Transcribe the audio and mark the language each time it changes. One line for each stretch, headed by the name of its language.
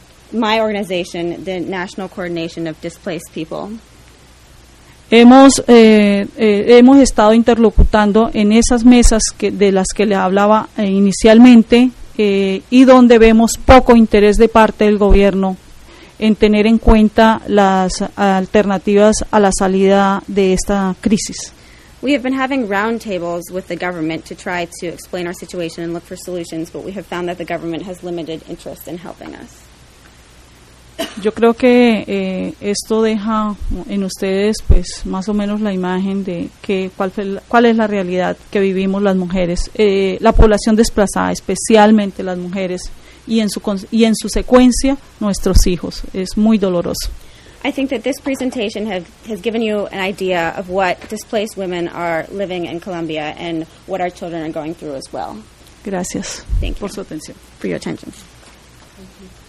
English: my organization, the National Coordination of Displaced People,
Spanish: Hemos estado interlocutando en esas mesas de las que le hablaba inicialmente y donde vemos poco interés de parte del gobierno en tener en cuenta las alternativas a la salida de esta crisis.
English: We have been having roundtables with the government to try to explain our situation and look for solutions, but we have found that the government has limited interest in helping us.
Spanish: Yo creo que esto deja en ustedes, pues, más o menos la imagen de que cuál es la realidad que vivimos las mujeres, la población desplazada, especialmente las mujeres, y en su secuencia nuestros hijos. Es muy doloroso.
English: I think that this presentation has given you an idea of what displaced women are living in Colombia and what our children are going through as well.
Spanish: Gracias.
English: Thank you.
Spanish: Por su atención.
English: For your attention. Thank you.